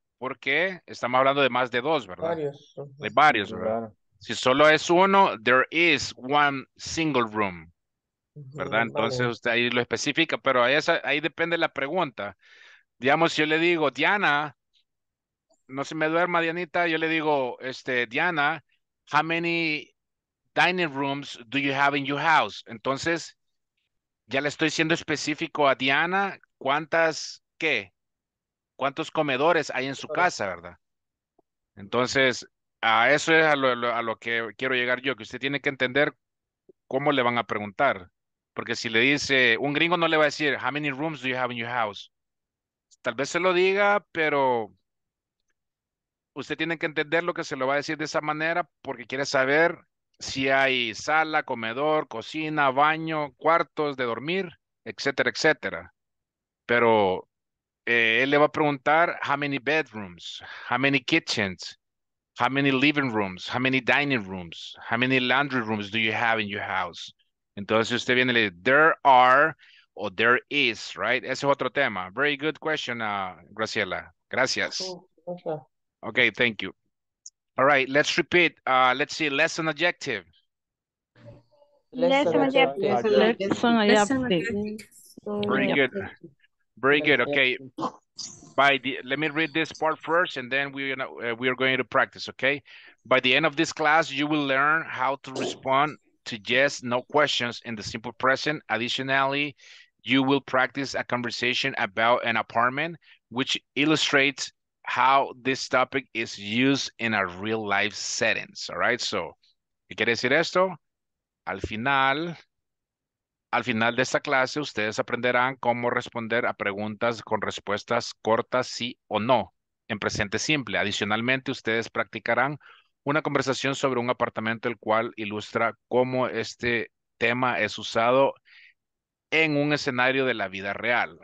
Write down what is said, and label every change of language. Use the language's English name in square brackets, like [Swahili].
[Spanish] Porque estamos hablando de más de dos, ¿verdad? Varios. Hay varios, ¿verdad? Claro. Si solo es uno, [English] there is one single room. [Spanish] ¿Verdad? Entonces usted ahí lo especifica, pero ahí depende la pregunta. Digamos, si yo le digo, Diana, no se me duerma, Dianita, yo le digo, Diana, [English] how many dining rooms do you have in your house? [Spanish] Entonces, ya le estoy siendo específico a Diana, ¿cuántos comedores hay en su casa, verdad? Entonces, a eso es a lo que quiero llegar yo, que usted tiene que entender cómo le van a preguntar. Porque si le dice, un gringo no le va a decir, [English] how many rooms do you have in your house? [Spanish] Tal vez se lo diga, pero usted tiene que entender lo que se lo va a decir de esa manera porque quiere saber si hay sala, comedor, cocina, baño, cuartos de dormir, etcétera, etcétera. Pero él le va a preguntar, [English] how many bedrooms, how many kitchens, how many living rooms, how many dining rooms, how many laundry rooms do you have in your house? [Spanish] Entonces usted viene y le dice, [English] there are [Spanish] o [English] there is, right? [Spanish] Ese es otro tema. [English] Very good question, Graciela. [Spanish] Gracias. [English] Okay, thank you. All right, let's repeat. Let's see, lesson objective. Lesson objective. Lesson objective. Very good. Very good. Okay. Let me read this part first, and then we are going to practice, okay? By the end of this class, you will learn how to respond to yes, no questions in the simple present. Additionally, you will practice a conversation about an apartment, which illustrates how this topic is used in a real life settings. All right. [Spanish] So, ¿qué quiere decir esto? Al final de esta clase, ustedes aprenderán cómo responder a preguntas con respuestas cortas, sí o no, en presente simple. Adicionalmente, ustedes practicarán una conversación sobre un apartamento, el cual ilustra cómo este tema es usado en un escenario de la vida real.